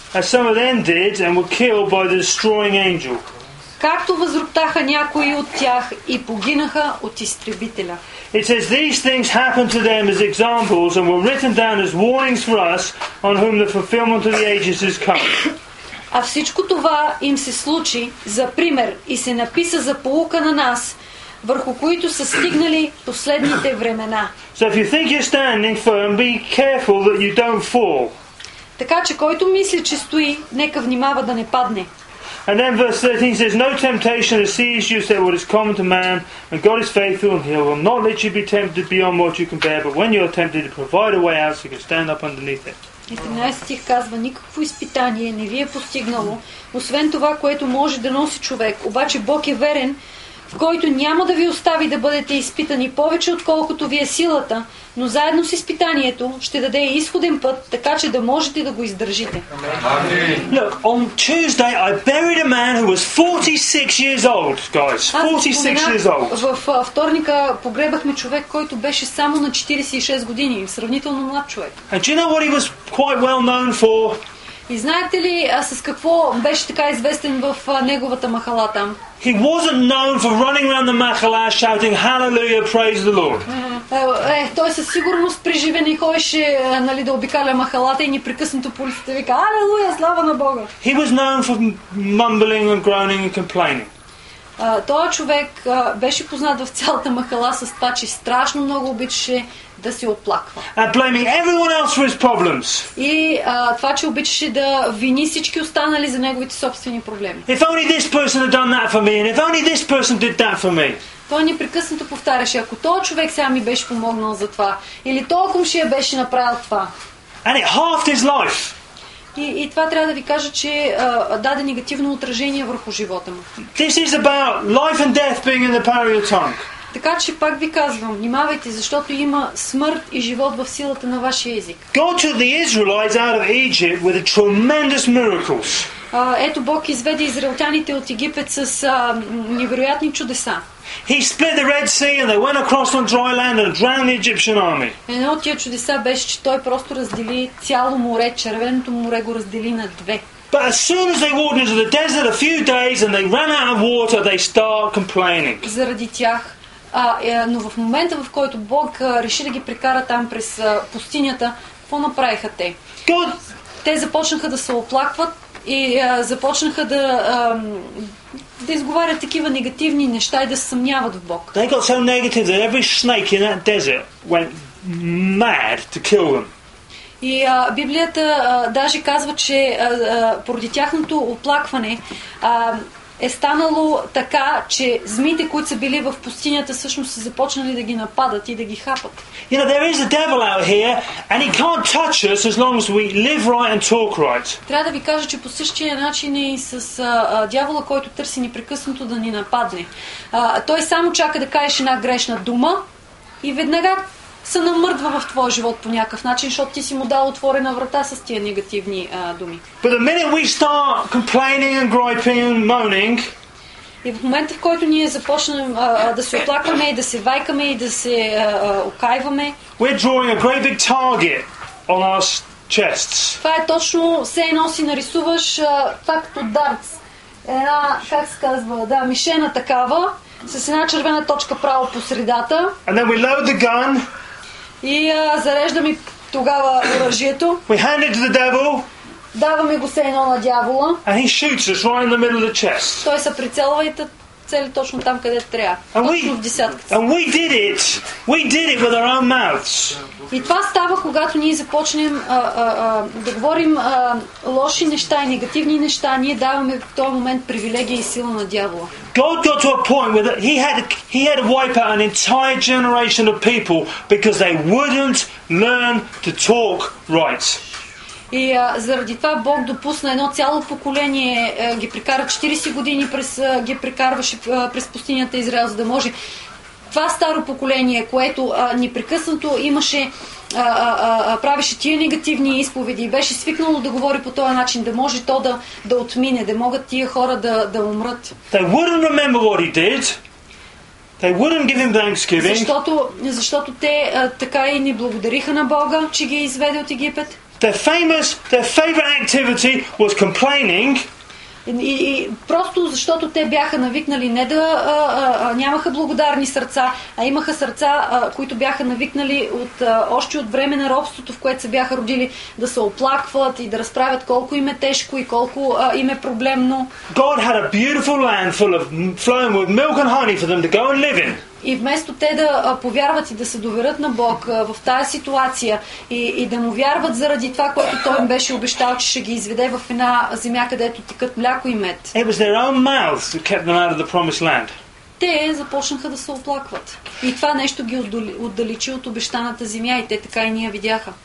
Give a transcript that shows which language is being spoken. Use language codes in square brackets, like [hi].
[en] As some of them did and were killed by the destroying angel. [bg] Както възроптаха някои от тях и погинаха от изтребителя. [en] It says these things happened to them as examples and were written down as warnings for us on whom the fulfillment of the ages has come. [bg] А всичко това им се случи за пример и се написа за поука на нас, върху които са стигнали последните времена. [en] So if you think you're standing firm, be careful that you don't fall. [bg] Така че който мисли, че стои, нека внимава да не падне. [en] And then verse 13 says, no temptation has seized you except what is common to man, and God is faithful, and he will not let you be tempted beyond what you can bear, but when you are tempted, to provide a way out, so you can stand up underneath it. [bg] И 13 стих казва, никакво изпитание не ви е постигнало, освен това, което може да носи човек. Обаче Бог е верен, в който няма да ви остави да бъдете изпитани повече отколкото ви е силата, но заедно с изпитанието ще даде изходен път, така че да можете да го издържите. [en] Amen. Look, on Tuesday I buried a man who was 46 years old, guys. 46 years old. [bg] В вторника погребахме човек, който беше само на 46 години, сравнително млад човек. [en] And you know what he was quite well known for? [bg] И знаете ли с какво беше така известен в неговата махала там? [en] He wasn't known for running around the Mahalla shouting hallelujah, praise the Lord. [bg] Той със сигурност преживен и ходеше, нали, да обикаля махалата и непрекъснато по улиците вика алелуя, слава на Бога. [en] He was known for mumbling and groaning and complaining. [bg] Този човек беше познат в цялата махала с това, че страшно много обичаше да се оплаква. [en] And blaming everyone else for his problems. [bg] И това, че обичаше да вини всички останали за неговите собствени проблеми. [en] If only this person had done that for me, and if only this person did that for me. [bg] Той непрекъснато повтаряше, ако този човек сега ми беше помогнал за това, или този комшия беше направил това. [en] And it halved his life. [bg] И това трябва да ви кажа, че даде негативно отражение върху живота му. [en] This is about life and death being in the power of your tongue. [bg] Така че пак ви казвам, внимавайте, защото има смърт и живот в силата на вашия език. [en] God took the Israelites out of Egypt with a tremendous miracles. [bg] Ето Бог изведе израелтяните от Египет с невероятни чудеса. [en] He split the Red Sea and they went across on dry land and drowned the Egyptian army. [bg] Едно от тия чудеса беше, че той просто раздели цяло море, червеното море го раздели на две. [en] But as soon as they walked into the desert a few days and they ran out of water, they start complaining. [bg] Заради тях. Но в момента, в който Бог реши да ги прекара там през пустинята, какво направиха те? [en] God. [bg] Те започнаха да се оплакват и започнаха да да изговарят такива негативни неща и да се съмняват в Бог. [en] They got so negative that every snake in that desert went mad to kill them. [bg] И Библията даже казва, че поради тяхното оплакване е станало така, че змиите, които са били в пустинята, всъщност са започнали да ги нападат и да ги хапат. [en] You know, there is a devil out here and he can't touch us as long as we live right and talk right. [bg] Трябва да ви кажа, че по същия начин е и с дявола, който търси непрекъснато да ни нападне. Той само чака да кажеш една грешна дума и веднага се намърдва в твоя живот по някакъв начин, защото ти си му дал отворена врата с тия негативни думи. [en] But the minute we start complaining and griping and moaning, [bg] и в момента, в който ние започнем да се оплакваме и да се вайкаме и да се окайваме, [en] we're drawing a great big target on our chests. [bg] Това е точно, все едно си нарисуваш това като дартс. Една, как се казва, да, мишена такава, с една червена точка право по средата. [en] And then we load the gun. [bg] И зареждам и тогава оръжието. [en] We hand it to the devil. [bg] Даваме го се едно на дявола. [en] And he shoots us right in the middle of the chest. [bg] Той се прицелва и цели точно там, където трябва. Точно в десятката. [en] And we did it. We did it with our own mouths. [bg] И това става, когато ние започнем да говорим лоши неща и негативни неща, ние даваме в този момент привилегия и сила на дявола. [en] God got to a point where he had to wipe out an entire generation of people because they wouldn't learn to talk right. [bg] И заради това Бог допусна едно цяло поколение, ги прекара 40 години през ги прекарваше през пустинята Израел, за да може това старо поколение, което непрекъснато имаше, правеше тия негативни изповеди и беше свикнало да говори по този начин, да може то да отмине, да могат тия хора да умрат. [en] They wouldn't remember what he did. They wouldn't give him thanksgiving. [bg] Защото те така и не благодариха на Бога, че ги изведе от Египет. [en] Their favorite activity was complaining. [bg] И просто защото те бяха навикнали не да нямаха благодарни сърца, а имаха сърца, които бяха навикнали още от време на робството, в което се бяха родили, да се оплакват и да разправят колко им е тежко и колко им е проблемно. [en] God had a beautiful land full of flowing with milk and honey for them to go and live in. [bg] И вместо те да повярват и да се доверят на Бог в тая ситуация и да му вярват заради това, което той им беше обещал, че ще ги изведе в една земя, където текат мляко и мед. [en] It was their own mouths that kept them out of the promised land. [bg] Те започнаха да се оплакват. И това нещо ги отдалечи от обещаната земя и те така и ние видяха.